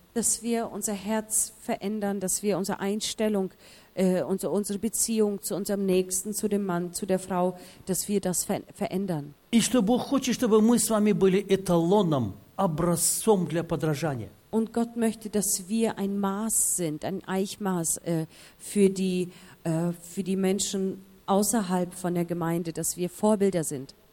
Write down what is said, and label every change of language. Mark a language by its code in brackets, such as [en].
[de] Dass wir unser Herz verändern, dass wir unsere Einstellung, unsere Beziehung zu unserem Nächsten, zu dem Mann, zu der Frau, dass wir das verändern. [ru] И что Бог хочет, чтобы мы с вами были эталоном, образцом для подражания. [de] Und Gott möchte, dass wir ein Maß sind, ein Eichmaß für die Menschen außerhalb von der Gemeinde, dass wir Vorbilder sind.